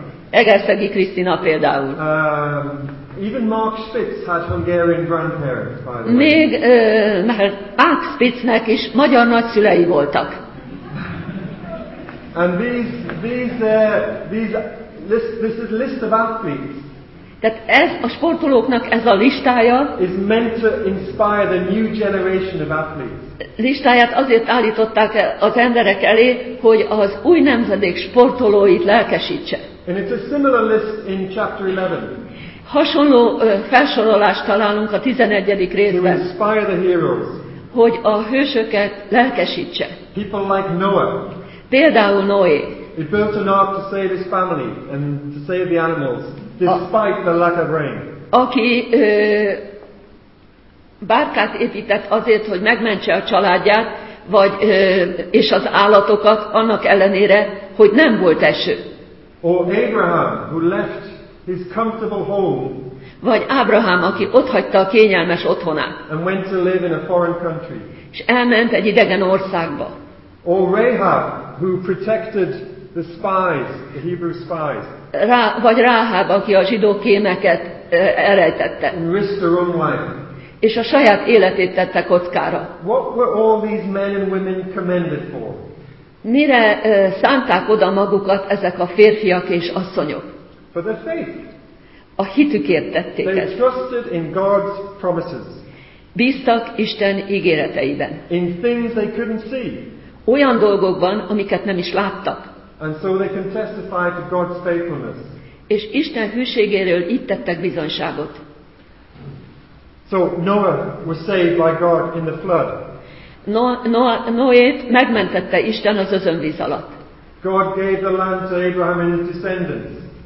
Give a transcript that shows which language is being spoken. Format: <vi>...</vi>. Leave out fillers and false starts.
<hu>Egerszegi Krisztina például.</hu> <en>Even Mark Spitz had Hungarian grandparents, by the way.</en> <hu>Még mert Mark Spitznek is magyar nagyszülei voltak.</hu> <en>And this list of athletes.</en> <hu>Tehát ez a sportolóknak ez a listája.</hu> <en>Is meant to inspire the new generation of athletes.</en> <hu>Listáját azért állították az emberek elé, hogy az új nemzedék sportolóit lelkesítse.</hu> <en>And it's a similar list in chapter 11.</en> <hu>Hasonló felsorolást találunk a 11. részben.</hu> <en>To inspire the heroes.</en> <hu>Hogy a hősöket lelkesítse.</hu> <en>People like Noah.</en> <hu>Például Noé.</hu> <en>He built an ark to save his family and to save the animals, despite the lack of rain.</en> <hu>Aki bárkát épített azért, hogy megmentse a családját, vagy és az állatokat annak ellenére, hogy nem volt eső.</hu> <en>Or Abraham, who left his comfortable home.</en> <hu>Vagy Ábrahám, aki otthagyta a kényelmes otthonát.</hu> <en>And went to live in a foreign country.</en> <hu>És elment egy idegen országba.</hu> <en>Or Rahab, who protected the spies, the Hebrew spies.</en> <hu>Vagy Ráhab, aki a zsidó kémeket elrejtette.</hu> <en>And risked her own life.</en> <hu>És a saját életét tette kockára.</hu> <en>What were all these men and women commended for?</en> <hu>Mire szánták oda magukat ezek a férfiak és asszonyok?</hu> <en>For their faith.</en> <hu>A hitükért tették ezt.</hu> <en>They trusted in God's promises.</en> <hu>Bíztak Isten ígéreteiben.</hu> <en>In things they couldn't see.</en> <hu>Olyan dolgokban, amiket nem is láttak.</hu> <en>And so they can testify to God's faithfulness.</en> <hu>És Isten hűségéről itt tettek bizonyságot.</hu> <en>So Noah was saved by God in the flood.</en> <hu>Noét megmentette Isten az özönvíz alatt.</hu> <en>God gave the land to Abraham and his descendants.</en>